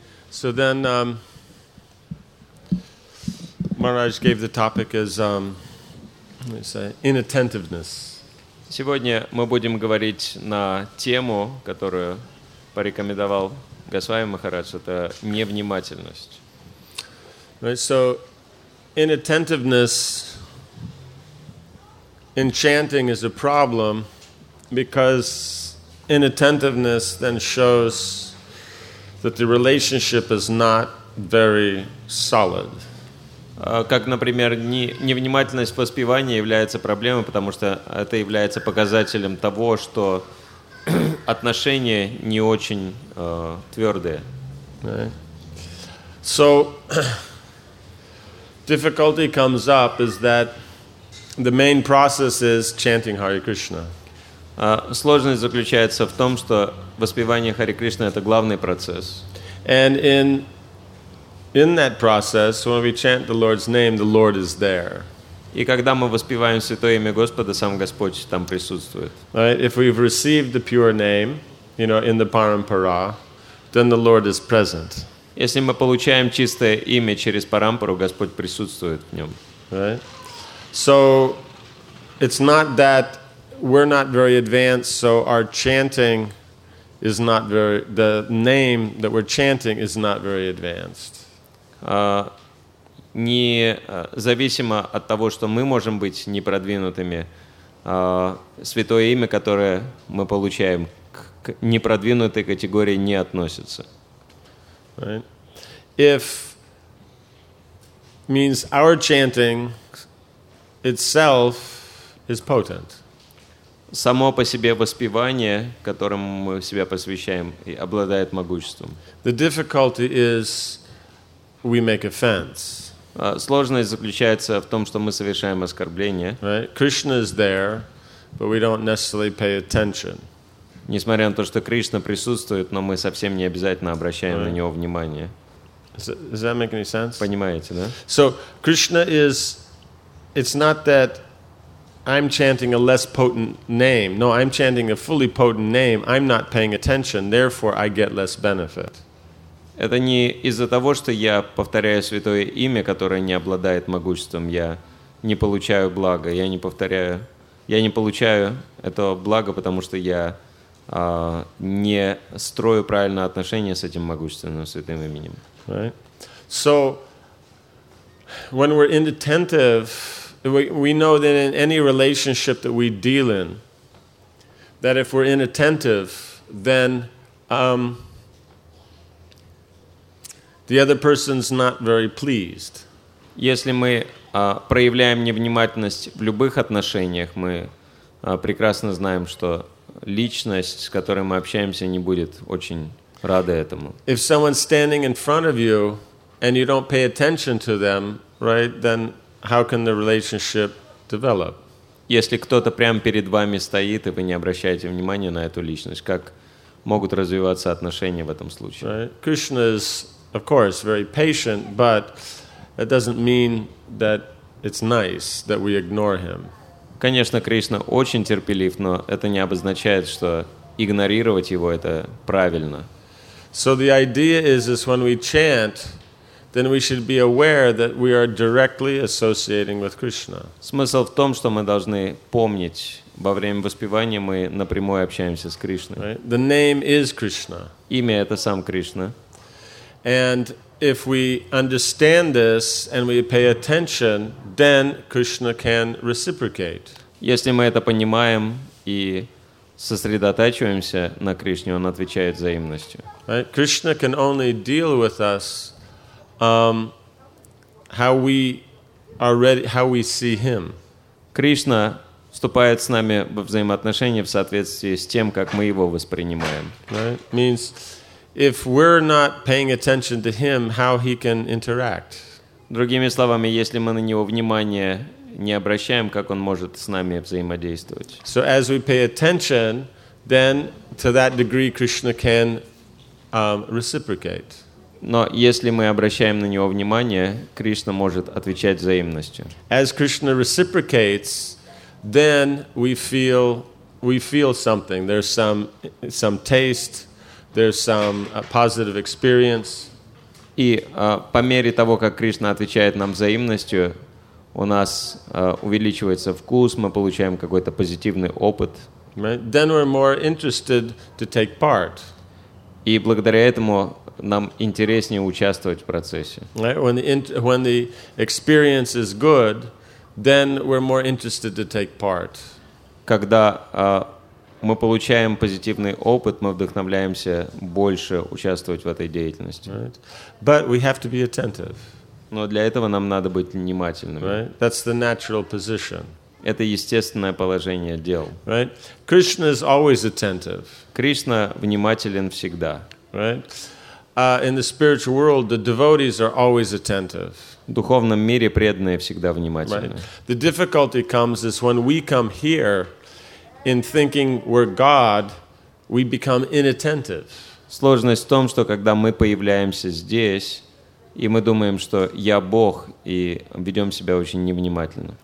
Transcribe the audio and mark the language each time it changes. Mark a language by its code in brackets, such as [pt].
[en] So then, Maharaj gave the topic as, let me say, inattentiveness. [ru] Сегодня мы будем говорить на тему, которую порекомендовал Госвами Махарадж, это невнимательность. [en] Right, so inattentiveness in chanting is a problem because inattentiveness then shows that the relationship is not very solid. [ru] Как, например, невнимательность воспевания является проблемой, потому что это является показателем того, что отношения не очень твердые. [en] Right. So, difficulty comes up is that the main process is chanting Hare Krishna. [ru] Сложность заключается в том, что воспевание Харе Кришна – это главный процесс. [en] And in that process, when we chant the Lord's name, the Lord is there. [ru] И когда мы воспеваем святое имя Господа, сам Господь там присутствует. [en] Right? If we've received the pure name, you know, in the parampara, then the Lord is present. [ru] Если мы получаем чистое имя через парампару, Господь присутствует в нем. [en] Right? So it's not that we're not very advanced, so our chanting is not very, the name that we're chanting is not very advanced. [ru] Независимо от того, что мы можем быть непродвинутыми, святое имя, которое мы получаем, к непродвинутой категории не относится. [en] Right. If means our chanting itself is potent. [ru] Само по себе воспевание, которому мы себя посвящаем, обладает могуществом. [en] The difficulty is we make offense. [ru] Сложность заключается в том, что мы совершаем оскорбление. [en] Right? Krishna is there, but we don't necessarily pay attention. [ru] Несмотря на то, что Кришна присутствует, но мы совсем не обязательно обращаем на него внимание. [en] Does that make any sense? [ru] Понимаете, да? [en] So Krishna is, it's not that I'm chanting a less potent name. No, I'm chanting a fully potent name. I'm not paying attention, therefore I get less benefit. [ru] Это не из-за того, что я повторяю святое имя, которое не обладает могуществом, я не получаю блага, я не получаю этого блага, потому что я не строю правильное отношение с этим могущественным святым именем. [en] Right. So, when we're inattentive, we know that in any relationship that we deal in, that if we're inattentive, then the other person's not very pleased. [ru] Если мы проявляем невнимательность в любых отношениях, мы прекрасно знаем, что личность, с которой мы общаемся, не будет очень рада этому. [en] If someone's standing in front of you and you don't pay attention to them, right, then how can the relationship develop? [ru] Если кто-то прямо перед вами стоит, и вы не обращаете внимания на эту личность, как могут развиваться отношения в этом случае? [en] Right. Krishna is, of course, very patient, but that doesn't mean that it's nice that we ignore him. [ru] Конечно, Кришна очень терпелив, но это не обозначает, что игнорировать его это правильно. [en] So the idea is when we chant, then we should be aware that we are directly associating with Krishna. [ru] Смысл в том, что мы должны помнить, во время воспевания мы напрямую общаемся с Кришной. [en] Right? The name is Krishna. [ru] Имя это сам Кришна. [en] And if we understand this and we pay attention, then Krishna can reciprocate. [ru] Если мы это понимаем и сосредотачиваемся на Кришне, он отвечает взаимностью. [en] Right? Krishna can only deal with us how we are ready, how we see him. [ru] Кришна вступает с нами во взаимоотношения в соответствии с тем, как мы его воспринимаем. [en] Right? Means if we're not paying attention to him, how he can interact? [ru] Другими словами, если мы на него внимание не обращаем, как он может с нами взаимодействовать? [en] So as we pay attention, then to that degree Krishna can reciprocate. [ru] Но если мы обращаем на него внимание, Кришна может отвечать взаимностью. [en] As Krishna reciprocates, then we feel something. There's some taste. There's some positive experience. [ru] И по мере того, как Кришна отвечает нам взаимностью, у нас увеличивается вкус, мы получаем какой-то позитивный опыт. [en] Right. Then we're more interested to take part. [ru] И благодаря этому нам интереснее участвовать в процессе. [en] Right. When the experience is good, then we're more interested to take part. [ru] Когда мы получаем позитивный опыт, мы вдохновляемся больше участвовать в этой деятельности. [en] Right. But we have to be attentive. [ru] Но для этого нам надо быть внимательными. [en] Right. That's the natural position. [ru] Это естественное положение дел. [en] Right. Krishna is always attentive. [ru] Кришна внимателен всегда. [en] Right. In the spiritual world, the devotees are always attentive. [ru] В духовном мире преданные всегда внимательны. [en] Right. The difficulty comes is when we come here in thinking we're God, we become inattentive. [ru] Сложность в том, что когда мы появляемся здесь, и мы думаем, что я Бог, и ведем себя очень невнимательно.